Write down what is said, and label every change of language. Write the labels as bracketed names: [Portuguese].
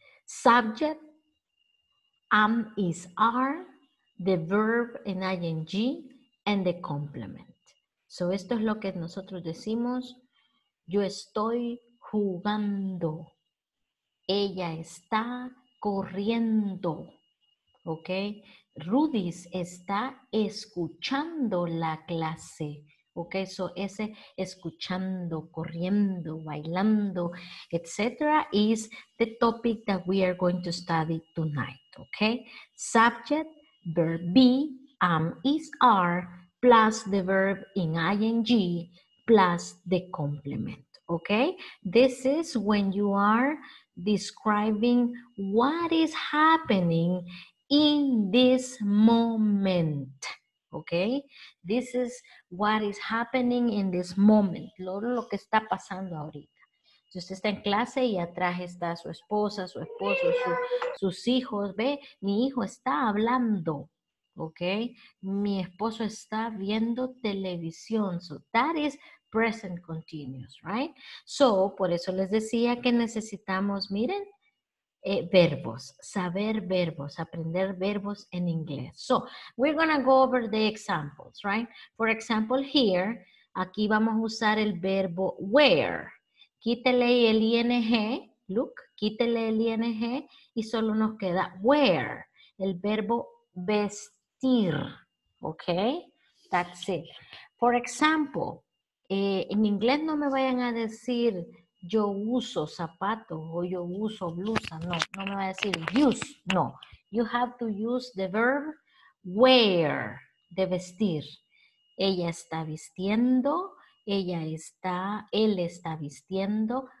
[English] Subject, am, is, are, the verb in ing, and the complement. [Spanish] So esto es lo que nosotros decimos, yo estoy jugando, ella está corriendo, okay? Rudy está escuchando la clase. Ok, so ese escuchando, corriendo, bailando, etc. [English] is the topic that we are going to study tonight. Ok, subject, verb be, is, are, plus the verb in ing, plus the complement. Ok, this is when you are describing what is happening in this moment. Okay, this is what is happening in this moment. [Spanish] Lo que está pasando ahorita. Si usted está en clase y atrás está su esposa, su esposo, sus hijos, ve, mi hijo está hablando. Okay, mi esposo está viendo televisión. [English] So that is present continuous, right? [Spanish] So, por eso les decía que necesitamos, miren, verbos, saber verbos, aprender verbos en inglés. [English] So, we're gonna go over the examples, right? For example, here, [Spanish] aquí vamos a usar el verbo wear. Quítele el ing, [English] look, [Spanish] quítele el ing y solo nos queda wear, el verbo vestir, okay? That's it. [English] For example, [Spanish] en inglés no me vayan a decir yo uso zapatos o yo uso blusa. No, no me va a decir use. [English] No, you have to use the verb wear, [Spanish] de vestir. Ella está vistiendo, ella está, él está vistiendo.